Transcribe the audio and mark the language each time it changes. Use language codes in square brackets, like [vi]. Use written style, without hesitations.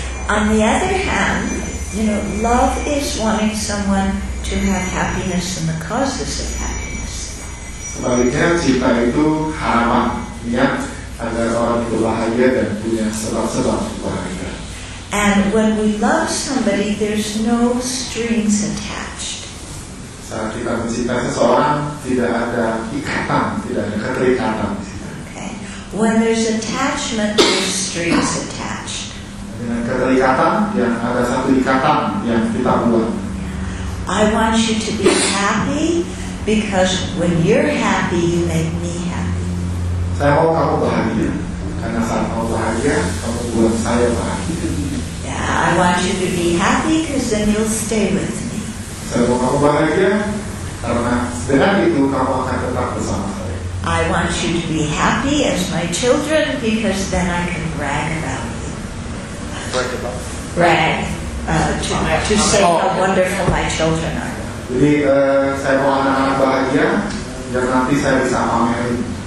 [en] On the other hand, you know, love is wanting someone to have happiness and the causes of happiness. [id] Sebaliknya, cinta itu harapan, niat agar orang itu bahagia dan punya sebab-sebab bahagia. [en] And when we love somebody, there's no strings attached. [id] Saat kita mencintai seseorang, tidak ada ikatan, tidak ada keterikatan. [en] Okay. When there's attachment, there's strings attached. [id] Dengan keterikatan, ya, ada satu ikatan yang kita buat. [en] I want you to be happy because when you're happy, you make me happy. [id] Saya mau kamu bahagia karena saat kamu bahagia, kamu buat saya bahagia. [en] I want you to be happy because then you'll stay with me. [id] Saya mau kamu bahagia karena dengan itu kamu akan tetap bersama saya. [en] I want you to be happy as my children because then I can brag about you. Brag to say how wonderful my children are. [id] Jadi saya mau anak-anak bahagia dan nanti saya bisa pamerin.